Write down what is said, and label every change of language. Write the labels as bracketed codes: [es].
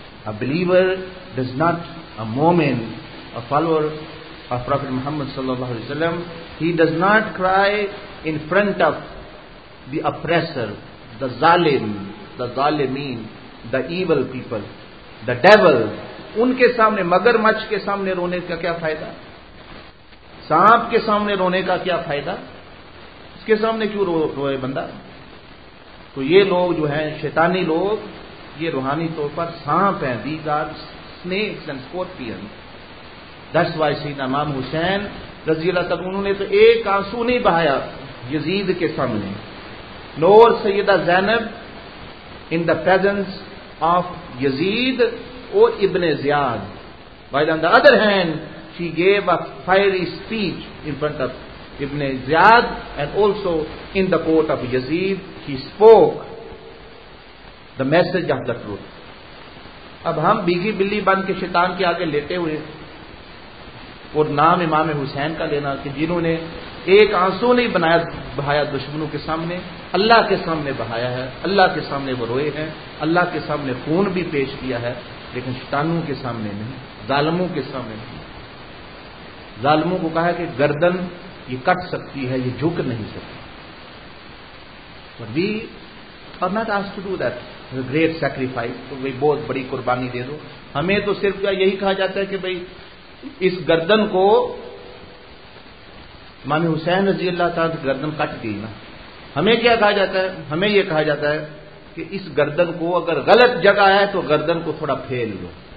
[en] A believer does not, a mu'min, a follower of Prophet Muhammad [ar] sallallahu alaihi wasallam, [en] he does not cry in front of the oppressor, the zalim, the zalimin, the evil people, the devil. [ur] ان کے سامنے مگر مچھ کے سامنے رونے کا کیا فائدہ, سانپ کے سامنے رونے کا کیا فائدہ, کے سامنے کیوں روئے بندہ. تو یہ لوگ جو ہیں شیطانی لوگ, یہ روحانی طور پر سانپ ہیں. [en] These are snakes and scorpion. [ur] That's why سیدنا امام حسین رضی اللہ تعالیٰ انہوں نے تو ایک آنسو نہیں بہایا یزید کے سامنے. [en] نور Syeda Zainab in the presence of Yazid [ur] اور ابن زیاد. [en] While on the other hand, she gave a fiery speech in front of Ibn Ziyad and also in the court of Yazid, he spoke the message of the truth. [ur] اب ہم baggy بلی بن کے شیطان کے آگے لیتے ہوئے اور نام امام حسین کا لینا کہ جنہوں نے ایک آنسو نہیں بنایا بہایا دشمنوں کے سامنے, اللہ کے سامنے بہایا ہے, اللہ کے سامنے وہ روئے ہیں, اللہ کے سامنے خون بھی پیش کیا ہے, لیکن شیطانوں کے سامنے نہیں, ظالموں کے سامنے نہیں. ظالموں کو کہا کہ گردن یہ کٹ سکتی ہے, یہ جھک نہیں سکتی. [en] great sacrifice, [ur] بہت بڑی قربانی دے دو. ہمیں تو صرف یہی کہا جاتا ہے کہ بھائی اس گردن کو امام حسین رضی اللہ تعالیٰ کی گردن کٹ گئی نا, ہمیں کیا کہا جاتا ہے, ہمیں یہ کہا جاتا ہے کہ اس گردن کو اگر غلط جگہ ہے تو گردن کو تھوڑا پھیل لو.